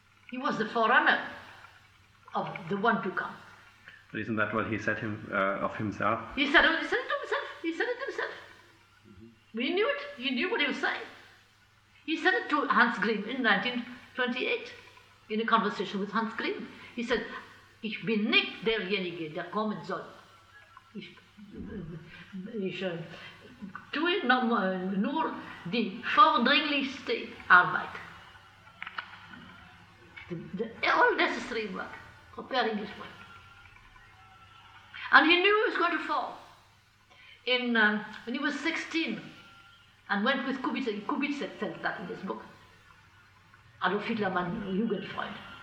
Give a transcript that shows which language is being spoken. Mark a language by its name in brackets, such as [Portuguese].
[English] He was the forerunner of the one to come. But isn't that what he said of himself? He said it to himself. Mm-hmm. He knew it. He knew what he was saying. He said it to Hans Grimm in 1928, in a conversation with Hans Grimm. He said, [German] "Ich bin nicht derjenige, der kommen soll. Ich tue nur die vordringlichste Arbeit. [English] The all necessary work, preparing his work." And he knew he was going to fall. When he was 16, and went with Kubitzer. Kubitzer tells that in his book, Adolf Hitler, mein Jugendfreund.